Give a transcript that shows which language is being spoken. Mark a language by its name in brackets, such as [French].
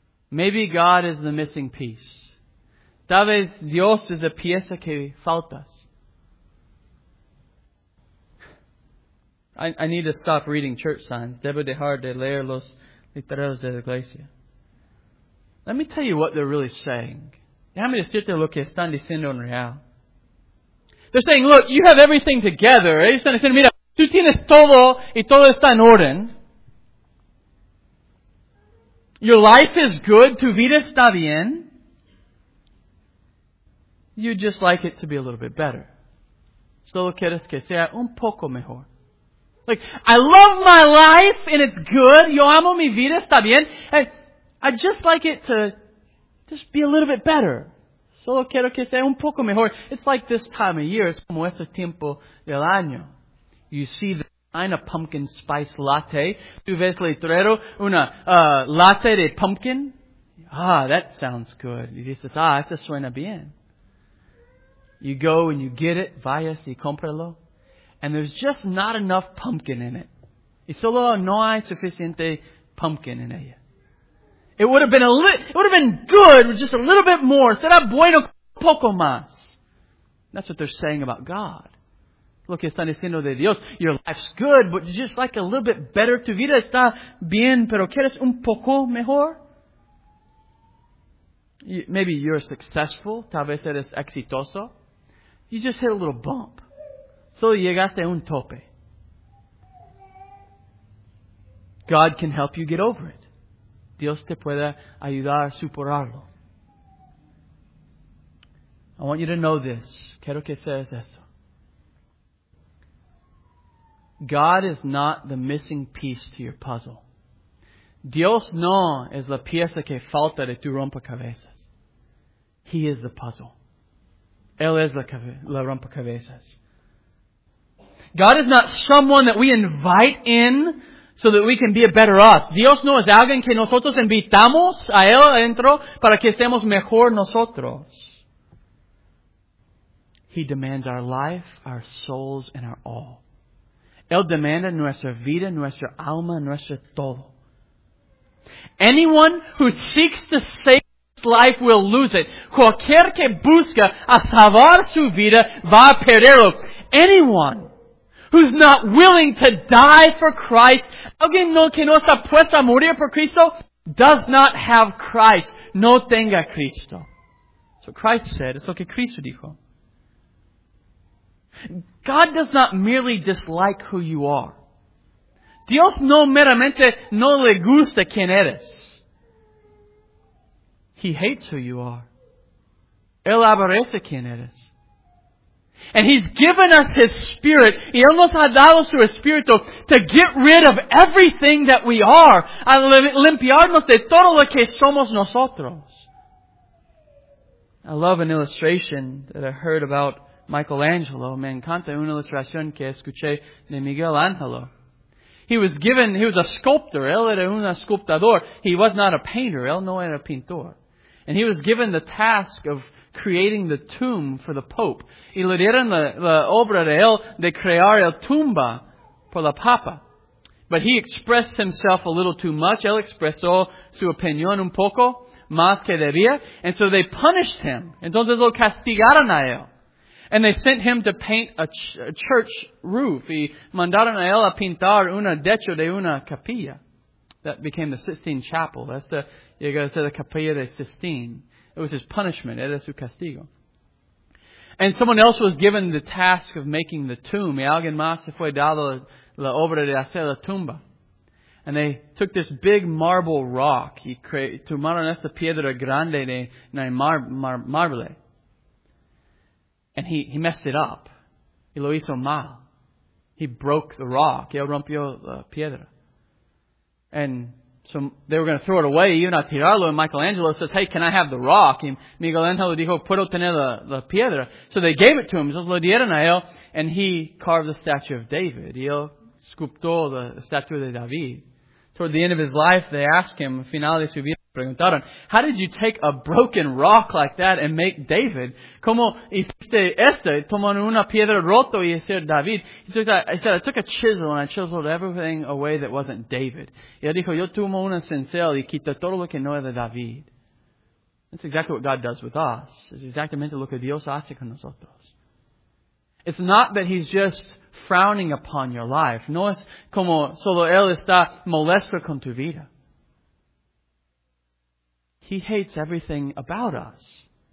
[English] Maybe God is the missing piece. [Spanish] Tal vez Dios es la pieza que faltas. [English] I need to stop reading church signs. [Spanish] Debo dejar de leer los letreros de la iglesia. [English] Let me tell you what they're really saying. [Spanish] Déjame decirte lo que están diciendo en real. [English] They're saying, look, you have everything together. [Spanish] Ellos están diciendo, mira, tú tienes todo y todo está en orden. [English] Your life is good. [Spanish] Tu vida está bien. [English] You just like it to be a little bit better. [Spanish] Solo quieres que sea un poco mejor. [English] Like, I love my life and it's good. [Spanish] Yo amo mi vida, está bien. [English] I just like it to just be a little bit better. [Spanish] Solo quiero que sea un poco mejor. [English] It's like this time of year. [Spanish] Es como este tiempo del año. [English] You see the a pumpkin spice latte. [Spanish] Tu ves letrero, una latte de pumpkin. [English] Ah, that sounds good. [Spanish] Y dices, ah, eso suena bien. [English] You go and you get it, [Spanish] vayas y cómpralo. [English] And there's just not enough pumpkin in it. [Spanish] Y solo no hay suficiente pumpkin en ella. [English] It would have been good with just a little bit more. [Spanish] Será bueno poco más. [English] That's what they're saying about God. [Spanish] Lo que están diciendo de Dios. [English] Your life's good, but you just like a little bit better. [Spanish] Tu vida está bien, pero quieres un poco mejor. [English] Maybe you're successful. [Spanish] Tal vez eres exitoso. [English] You just hit a little bump. [Spanish] Solo llegaste a un tope. [English] God can help you get over it. [Spanish] Dios te puede ayudar a superarlo. [English] I want you to know this. [Spanish] Quiero que seas esto. [English] God is not the missing piece to your puzzle. [Spanish] Dios no es la pieza que falta de tu rompecabezas. [English] He is the puzzle. [Spanish] Él es la rompecabezas. [English] God is not someone that we invite in so that we can be a better us. [Spanish] Dios no es alguien que nosotros invitamos a Él adentro para que seamos mejor nosotros. [English] He demands our life, our souls, and our all. [Spanish] Él demanda nuestra vida, nuestra alma, nuestro todo. [English] Anyone who seeks to save his life will lose it. [Spanish] Cualquier que busca a salvar su vida va a perderlo. [English] Anyone who's not willing to die for Christ, [Spanish] alguien que no está puesto a morir por Cristo, [English] does not have Christ. [Spanish] No tenga Cristo. [English] So Christ said, [Spanish] es lo que Cristo dijo. [English] God does not merely dislike who you are. [Spanish] Dios no meramente no le gusta quien eres. [English] He hates who you are. [Spanish] Él aborrece quien eres. [English] And He's given us His Spirit. [Spanish] Y Él nos ha dado su Espíritu [English] to get rid of everything that we are. [Spanish] A limpiarnos de todo lo que somos nosotros. [English] I love an illustration that I heard about Michelangelo. [Spanish] Me encanta una ilustración que escuché de Miguel Ángel. [English] He was a sculptor. [Spanish] Él era un escultor. [English] He was not a painter. [Spanish] Él no era pintor. [English] And he was given the task of creating the tomb for the Pope. [Spanish] Y le dieron la obra de él de crear el tumba por la Papa. [English] But he expressed himself a little too much. [Spanish] Él expresó su opinión un poco más que debía. [English] And so they punished him. [Spanish] Entonces lo castigaron a él. [English] And they sent him to paint a church roof. [Spanish] Y mandaron a él a pintar una techo de una capilla. [English] That became the Sistine Chapel. That's the, you gotta say, the Capilla de Sistine. It was his punishment. [Spanish] Era su castigo. [English] And someone else was given the task of making the tomb. [Spanish] Y alguien más se fue dado la obra de hacer la tumba. [English] And they took this big marble rock. [Spanish] Y tomaron esta piedra grande de marble. [English] And he messed it up. [Spanish] Y lo hizo mal. [English] He broke the rock. [Spanish] Y él rompió la piedra. [English] And so they were going to throw it away, [Spanish] even a tirarlo, [English] and Michelangelo says, hey, can I have the rock? [Spanish] And Miguel Angel dijo, puedo tener la piedra. [English] So they gave it to him, [Spanish] entonces lo dieron a él, [English] and he carved the statue of David. [Spanish] Y él esculptó la estatua de David. [English] Toward the end of his life, they asked him, [Spanish] al final de su vida, preguntaron, [English] how did you take a broken rock like that and make David? [Spanish] ¿Cómo hiciste esto? Tomar una piedra rota y hacer David. [English] He said, I took a chisel and I chiseled everything away that wasn't David. [Spanish] Y él dijo, yo tomo una cincel y quito todo lo que no era David. [English] That's exactly what God does with us. [Spanish] It's exactamente lo que Dios hace con nosotros. [English] It's not that He's just frowning upon your life. [Spanish] No es como solo Él está molesto con tu vida. [English] He hates everything about us.